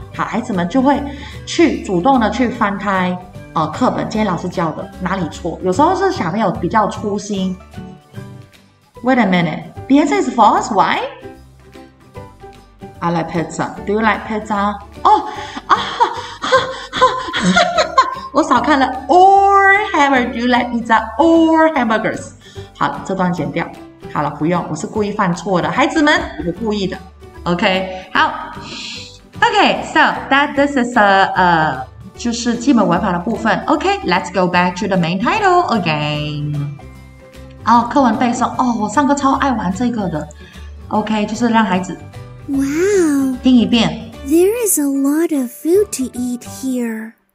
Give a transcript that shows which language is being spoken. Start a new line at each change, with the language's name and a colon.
Chinese: 好，孩子们就会去主动的去翻开课本，今天老师教的哪里错。有时候是小朋友比较粗心。
English: Wait a minute, the answer is false. Why? I like pizza. Do you like pizza?
Chinese: 哦，啊，哈哈哈哈，我少看了。
English: Or hamburger, do you like pizza or hamburgers?
Chinese: 好了，这段剪掉。好了，不用，我是故意犯错的，孩子们，我故意的。
English: OK， 好。OK， so that this is a
Chinese: 就是基本文法的部分。
English: OK， let's go back to the main title again。
Chinese: 哦，课文背诵，哦，我上课超爱玩这个的。 OK， 就是让孩子。
English: Wow。
Chinese: 听一遍。
English: There is a lot of food to eat here.